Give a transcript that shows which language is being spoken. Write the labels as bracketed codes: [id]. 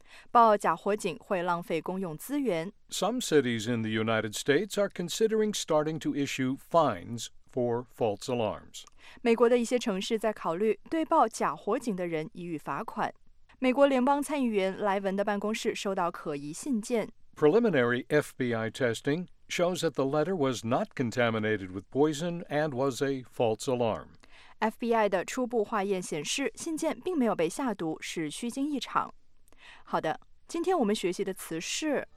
[zh] 报假火警会浪费公用资源。 [en] Some cities in the United States are considering starting to issue fines. For false alarms. [zh] 美国的一些城市在考虑对报假火警的人予以罚款。美国联邦参议员莱文的办公室收到可疑信件。 [en] Preliminary FBI testing shows that the letter was not contaminated with poison and was a false alarm. [zh] FBI 的初步化验显示信件并没有被下毒，是虚惊一场。好的，今天我们学习的词是